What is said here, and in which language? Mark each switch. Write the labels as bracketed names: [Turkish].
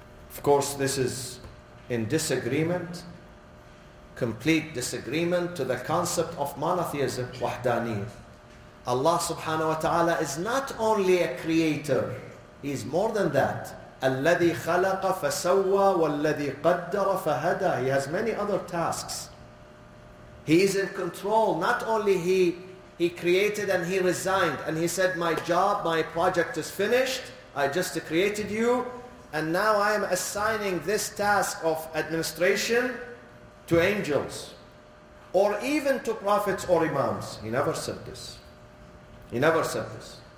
[English] Of course, this is in disagreement, complete disagreement to the concept of monotheism, wahdaniyah. Allah subhanahu wa ta'ala is not only a creator, He is more than that. [Arabic] الَّذِي خَلَقَ فَسَوَّى وَالَّذِي قَدَّرَ فَهَدَى [English] He has many other tasks. He is in control. Not only he created and He resigned and He said, my job, my project is finished. I just created you. And now I am assigning this task of administration to angels or even to prophets or imams. He never said this. He never said this.